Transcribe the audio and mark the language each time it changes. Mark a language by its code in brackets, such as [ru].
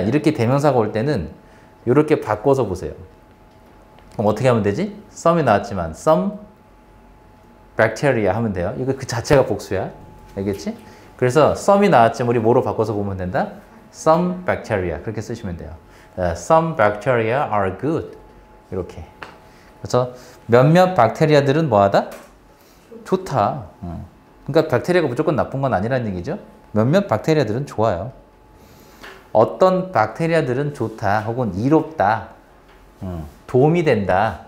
[ko] 이렇게 대명사가 올 때는 이렇게 바꿔서 보세요. 그럼 어떻게 하면 되지? 썸이 나왔지만 썸 박테리아 하면 돼요. 이거 그 자체가 복수야. 알겠지? 그래서 썸이 나왔지만 우리 뭐로 바꿔서 보면 된다? [en] Some bacteria [ko] 그렇게 쓰시면 돼요. [en] Some bacteria are good 이렇게. [ko] 그래서 몇몇 박테리아들은 뭐하다? 좋다. 그러니까 박테리아가 무조건 나쁜 건 아니라는 얘기죠. 몇몇 박테리아들은 좋아요. 어떤 박테리아들은 좋다, 혹은 이롭다, 도움이 된다.